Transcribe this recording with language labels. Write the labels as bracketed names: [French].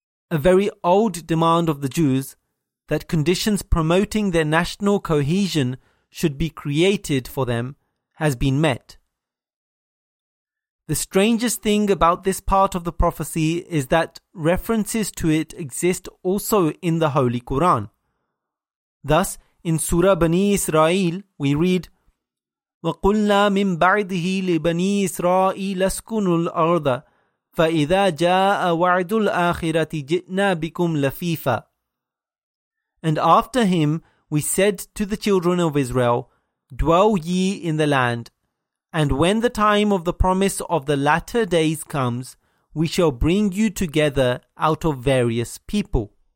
[English] A very old demand of the Jews that conditions promoting their national cohesion should be created for them has been met. The strangest thing about this part of the prophecy is that references to it exist also in the Holy Quran. Thus, in Surah Bani Israel, we read, [Arabic] وَقُلْنَا مِنْ بَعْدِهِ لِبَنِي إِسْرَائِيلَ اسْكُنُوا الْأَرْضَ فَإِذَا جَاءَ وَعْدُ الْآخِرَةِ جِئْنَا بِكُمْ لَفِيفًا. [English] And after him, we said to the children of Israel, dwell ye in the land, and when the time of the promise of the latter days comes, we shall bring you together out of various people.